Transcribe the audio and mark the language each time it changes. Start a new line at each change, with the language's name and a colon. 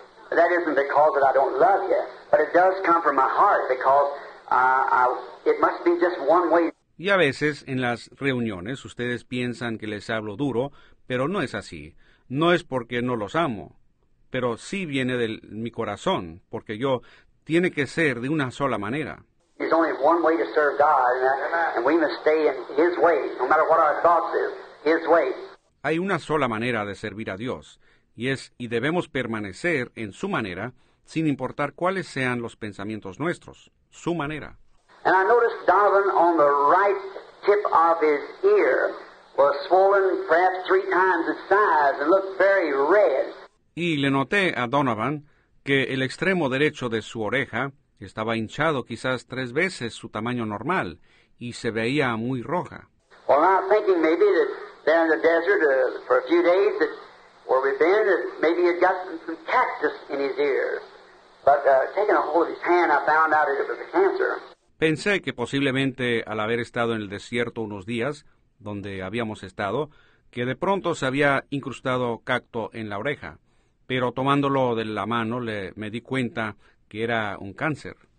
English: That isn't because that I don't love you. But it does come from my heart because it must be just one way.
Spanish: Y a veces en las reuniones ustedes piensan que les hablo duro, pero no es así. No es porque no los amo, pero sí viene de mi corazón, porque yo tiene que ser de una sola manera.
English: There's only one way to serve God, and we must stay in His way, no matter what our thoughts is, His way.
Spanish: Hay una sola manera de servir a Dios, y debemos permanecer en su manera, sin importar cuáles sean los pensamientos nuestros, su manera.
English: And I noticed Donovan on the right tip of his ear was swollen perhaps three times its size and looked very red.
Spanish: Y le noté a Donovan que el extremo derecho de su oreja estaba hinchado quizás tres veces su tamaño normal y se veía muy roja.
English: Well, I'm thinking maybe that there in the desert for a few days that where we've been, that maybe he had gotten some cactus in his ears. But taking a hold of his hand, I found out that it was a cancer.
Spanish: Pensé que posiblemente al haber estado en el desierto unos días, donde habíamos estado, que de pronto se había incrustado cacto en la oreja. Pero tomándolo de la mano, me di cuenta que era un cáncer.